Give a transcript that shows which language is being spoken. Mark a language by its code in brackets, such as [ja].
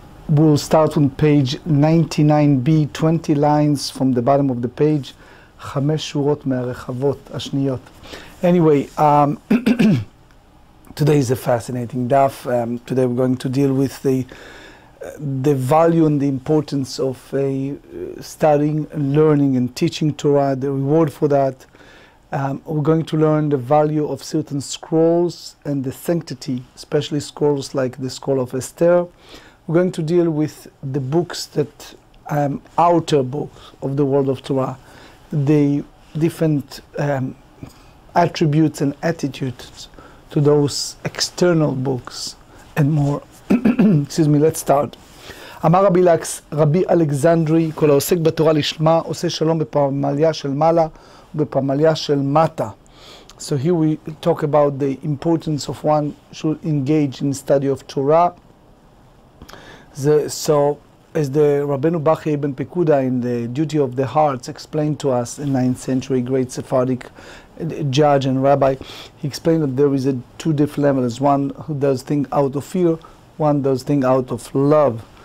[en] We'll start on page 99b, 20 lines from the bottom of the page. [he] חמש שורות מהרחבות השניות. [en] Anyway, today is a fascinating daf. Today we're going to deal with the value and the importance of studying, learning and teaching Torah, the reward for that. We're going to learn the value of certain scrolls and the sanctity, especially scrolls like the Scroll of Esther. We're going to deal with the books that outer books of the world of Torah, the different attributes and attitudes to those external books and more. Excuse me, let's start. [he] אמר רבי לקס, רבי אלכסנדרי, כל העוסק בתורה לשמה, עושה שלום בפמליה של מעלה ובפמליה של מטה. [en] So here we talk about the importance of one should engage in study of Torah. So as the Rabbeinu Bachya ibn Pekuda in the Duty of the Hearts explained to us, in 9th century great Sephardic judge and rabbi, he explained that there is a two different levels, one who does thing out of fear, one does thing out of love.